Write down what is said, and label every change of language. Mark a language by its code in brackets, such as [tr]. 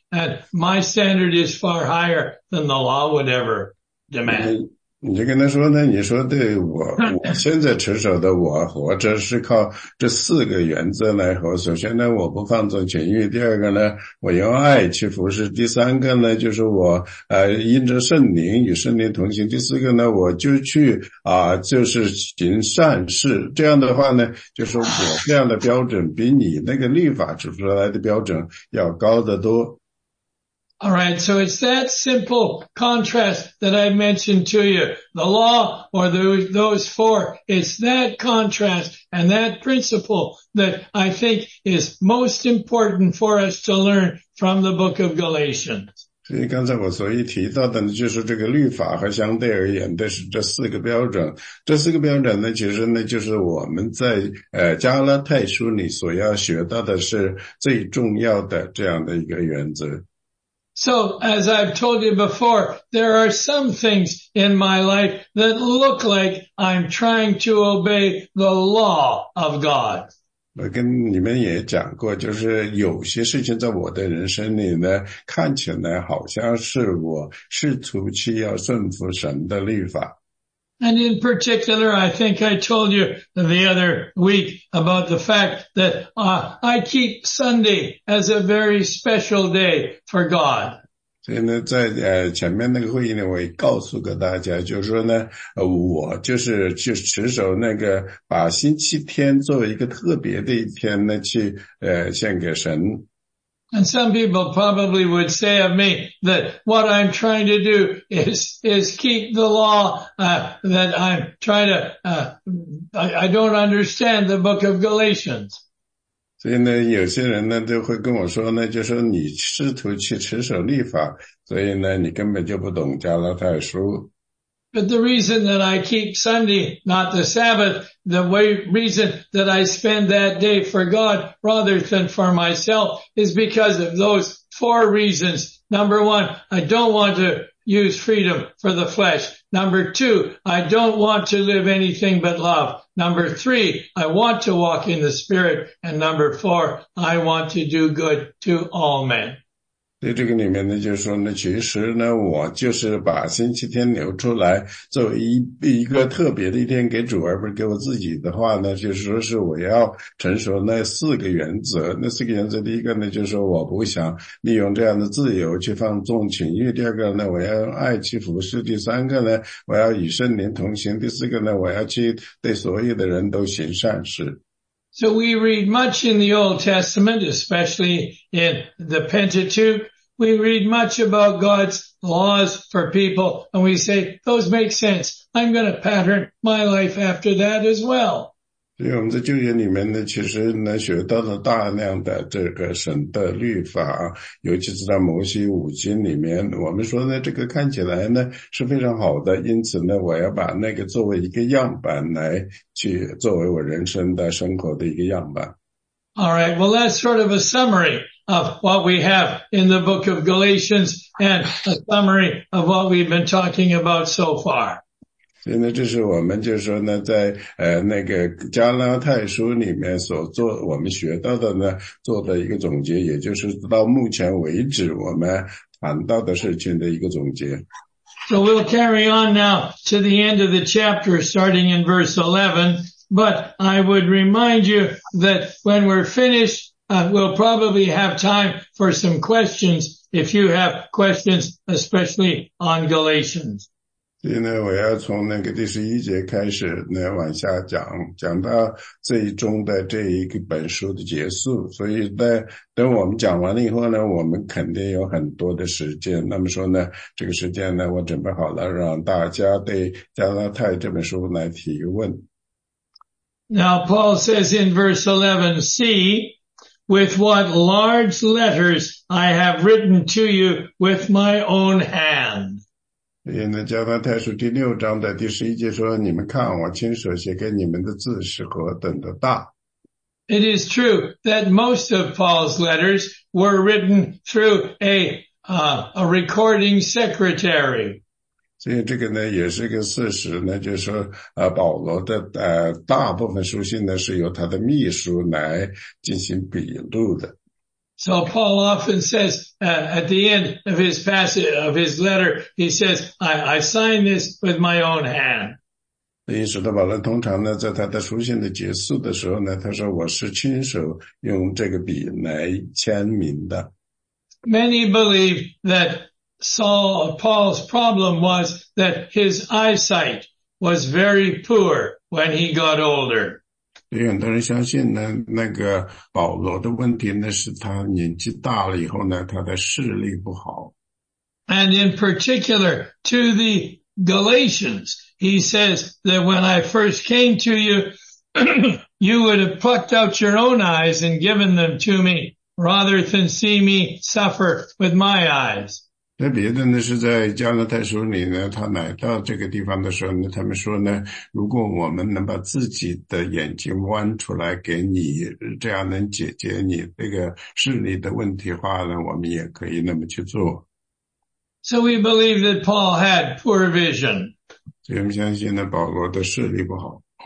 [en] And my standard is far higher than the law would ever demand. [zh] 你就跟他说呢，你说对我现在持守的我活着是靠这四个原则来活。首先呢，我不放纵情欲；第二个呢，我用爱去服侍；第三个呢，就是我因着圣灵与圣灵同行；第四个呢，我就去就是行善事。这样的话呢，就是我这样的标准比你那个律法指出来的标准要高得多。 [en] All right, so it's that simple contrast that I mentioned to you, the law or those four. It's that contrast and that principle that I think is most important for us to learn from the book of Galatians. [zh] 所以刚才我所以提到的呢，就是这个律法和相对而言的是这四个标准。这四个标准呢，其实呢，就是我们在加拉太书里所要学到的是最重要的这样的一个原则。 [en] So, as I've told you before, there are some things in my life that look like I'm trying to obey the law of God. [zh] 我跟你们也讲过，就是有些事情在我的人生里呢，看起来好像是我试图去要顺服神的律法。 [en] And in particular, I think I told you the other week about the fact that, I keep Sunday as a very special day for God. [zh] 所以呢在前面那个会议呢我也告诉过大家就是说呢我就是去持守那个把星期天作为一个特别的一天呢去献给神。 [en] And some people probably would say of me that what I'm trying to do is keep the law, that I'm trying to, I don't understand the book of Galatians. [zh] 所以呢有些人呢都会跟我说呢就说你试图去持守律法所以呢你根本就不懂加拉太书。 [en] But the reason that I keep Sunday, not the Sabbath, the reason that I spend that day for God rather than for myself is because of those four reasons. Number one, I don't want to use freedom for the flesh. Number two, I don't want to live anything but love. Number three, I want to walk in the Spirit. And number four, I want to do good to all men. [zh] 所以这个里面呢就是说呢其实呢我就是把星期天留出来作为一个特别的一天给主而不是给我自己的话呢就是说是我要承受那四个原则。那四个原则第一个呢就是说我不想利用这样的自由去放纵情欲。第二个呢我要用爱去服侍。第三个呢我要与圣灵同行。第四个呢我要去对所有的人都行善事。 [en] So we read much in the Old Testament, especially in the Pentateuch. We read much about God's laws for people, and we say, those make sense. I'm going to pattern my life after that as well. [zh] 所以我们在旧约里面呢，其实呢学到了大量的这个神的律法，尤其是在摩西五经里面，我们说呢，这个看起来呢是非常好的，因此呢，我要把那个作为一个样板来去作为我人生的生活的一个样板。 [en] All right, well, that's sort of a summary of what we have in the book of Galatians and a summary of what we've been talking about so far. [zh] 所以呢这是我们就是说呢在那个加拉太书里面所做我们学到的呢做的一个总结也就是到目前为止我们谈到的事情的一个总结。 [en] So we'll carry on now to the end of the chapter starting in verse 11, but I would remind you that when we're finished, we'll probably have time for some questions if you have questions, especially on Galatians. [zh] 所以呢我要从那个第十一节开始呢往下讲讲到最终的这一个本书的结束。所以在等我们讲完了以后呢我们肯定有很多的时间。那么说呢这个时间呢我准备好了让大家对加拉太这本书来提问。 [en] Now, Paul says in verse 11c, with what large letters I have written to you with my own hand. [zh] 所以呢加拉太书第六章的第十一节说你们看我亲手写给你们的字是何等的大。 [en] It is true that most of Paul's letters were written through a recording secretary. [zh] 所以这个呢也是个事实呢就是说保罗的大部分书信呢是由他的秘书来进行笔录的。 [en] So Paul often says, at the end of his passage, of his letter, he says, I sign this with my own hand. [zh] 因此保罗通常呢在他的书信的结束的时候呢他说我是亲手用这个笔来签名的。 [en] Many believe that Paul's problem was that his eyesight was very poor when he got older. [zh] 有很多人相信呢，那个保罗的问题呢，是他年纪大了以后呢，他的视力不好。 [en] And in particular to the Galatians, he says that when I first came to you, you would have plucked out your own eyes and given them to me rather than see me suffer with my eyes. [zh] 那别的呢，是在加拉太书里呢，他来到这个地方的时候呢，他们说呢，如果我们能把自己的眼睛弯出来给你，这样能解决你这个视力的问题的话呢，我们也可以那么去做。 [en] So we believe that Paul had poor vision. [zh] 所以我们相信呢，保罗的视力不好。